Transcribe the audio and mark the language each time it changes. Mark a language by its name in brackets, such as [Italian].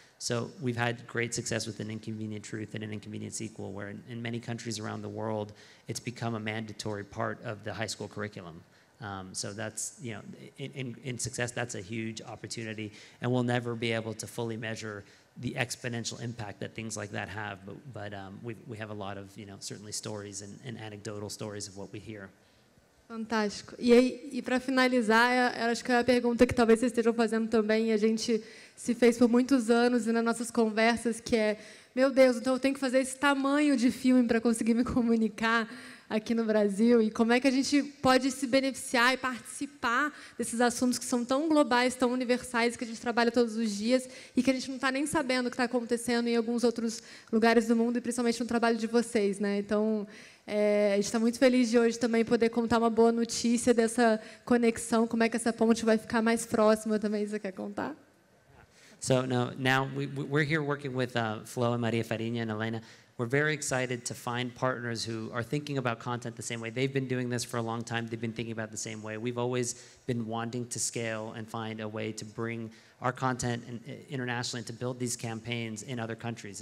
[English] So we've had great success with An Inconvenient Truth and An Inconvenient Sequel, where in many countries around the world, it's become a mandatory part of the high school curriculum. So that's, you know, in success, that's a huge opportunity. And we'll never be able to fully measure the exponential impact that things like that have. But we have a lot of, you know, certainly stories and anecdotal stories of what we hear. [Portuguese] Fantástico. E para finalizar, eu acho que é a pergunta que talvez vocês estejam fazendo também, e a gente se fez por muitos anos e nas nossas conversas, que é, meu Deus, então eu tenho que fazer esse tamanho de filme para conseguir me comunicar aqui no Brasil, e como é que a gente pode se beneficiar e participar desses assuntos que são tão globais, tão universais, que a gente trabalha todos os dias e que a gente não está nem sabendo o que está acontecendo em alguns outros lugares do mundo, e principalmente no trabalho de vocês, né? Então, a gente está muito feliz de hoje também poder contar uma boa notícia dessa conexão, como é que essa ponte vai ficar mais próxima também, você quer contar? [English] So now we're here working with Flo and Maria Farinha and Elena. We're very excited to find partners who are thinking about content the same way. They've been doing this for a long time. They've been thinking about it the same way. We've always been wanting to scale and find a way to bring our content internationally and to build these campaigns in other countries.